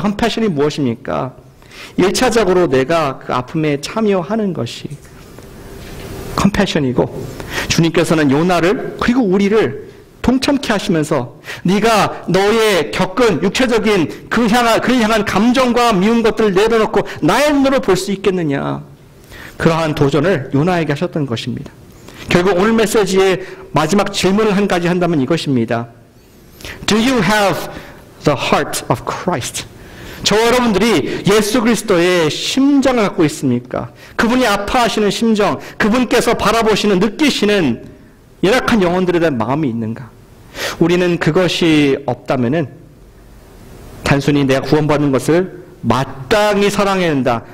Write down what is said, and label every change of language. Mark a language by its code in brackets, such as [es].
[ko] 컴패션이 무엇입니까? 1차적으로 내가 그 아픔에 참여하는 것이 컴패션이고 주님께서는 요나를 그리고 우리를 동참케 하시면서 네가 너의 겪은 육체적인 그를 향한 감정과 미운 것들을 내려놓고 나의 눈으로 볼 수 있겠느냐 그러한 도전을 요나에게 하셨던 것입니다. 결국 오늘 메시지의 마지막 질문을 한 가지 한다면 이것입니다. [en] Do you have the heart of Christ? [ko] 저와 여러분들이 예수 그리스도의 심정을 갖고 있습니까? 그분이 아파하시는 심정, 그분께서 바라보시는, 느끼시는 연약한 영혼들에 대한 마음이 있는가? 우리는 그것이 없다면은 단순히 내가 구원받은 것을 마땅히 사랑해야 된다.